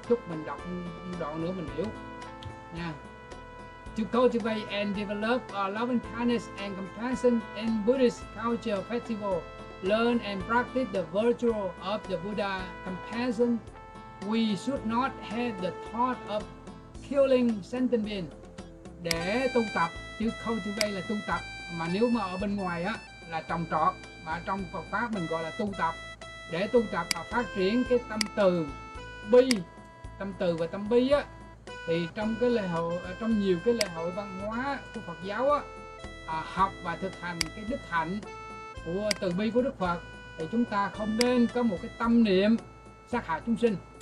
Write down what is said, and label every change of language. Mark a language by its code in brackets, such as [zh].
[vi] Chúc mình đọc đoạn nữa mình hiểu nha. [en] To cultivate and develop a loving kindness and compassion in Buddhist culture festival, learn and practice the virtue of the Buddha compassion, we should not have the thought of killing sentient beings. [vi] Để tu tập, chứ cultivate là tu tập, mà nếu mà ở bên ngoài á là trồng trọt, mà trong Phật pháp mình gọi là tu tập. Để tu tập và phát triển cái tâm từ bi, tâm từ và tâm bi á, thì trong cái lễ hội, trong nhiều cái lễ hội văn hóa của Phật giáo á, học và thực hành cái đức hạnh của từ bi của Đức Phật, thì chúng ta không nên có một cái tâm niệm sát hại chúng sinh.